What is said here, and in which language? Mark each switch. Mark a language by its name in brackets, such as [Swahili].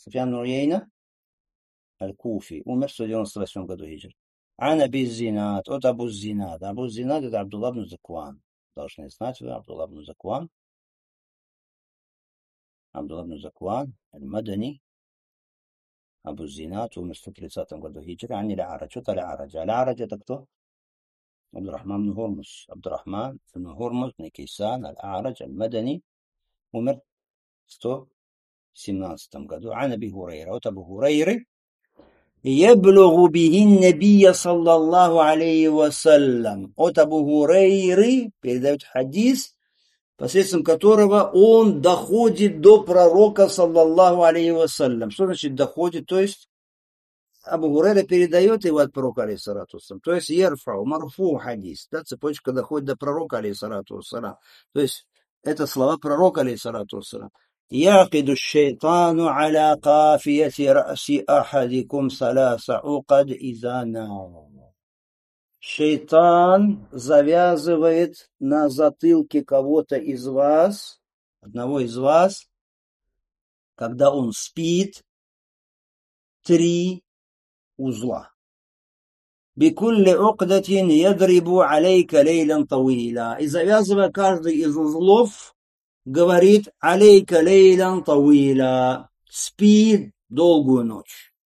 [Arabic] بن عيينة الكوفي عمر 198 قدو هجر عن أبي الزينات أوت أبو الزينات أبو الزينات عبد الله بن زكوان [Russian] должны знать вы, Абдулла бин Закван, Аль-Мадани, Абу-Зинат, умер в 130 году хиджра, ани ля-Араджа, что-то ля-Араджа. Ля-Араджа это кто? Абдурахман бин Хурмус. Абдурахман бин Хурмус, Никисан, Аль-Араджа, Аль-Мадани, умер в 117 году. Ани би Хурейра, вот Абу Хурейры. [Arabic] يبلغ به النبي صلى الله عليه وسلم [Russian] от Абу Хурейры передает хадис, посредством которого он доходит до пророка саллаллаху алейхи вассалям. Что значит доходит? То есть Абу Хурейра передает его от пророка алейхиссалату вассалям. То есть ярфау, марфу хадис. Да, цепочка доходит до пророка алейхиссалату вассалям. То есть это слова пророка алейхиссалату вассалям. [Arabic] يعقد الشيطان على قافية رأس أحدكم ثلاث عقد إذا نام. [Russian] Шейтан завязывает на затылке кого-то из вас, одного из вас, когда он спит, три узла. [Arabic] بكل عقدة يضرب عليك ليلا طويلا. [Russian] И завязывая каждый из узлов, говорит, алейка лейлан тауиля, спи долгую ночь.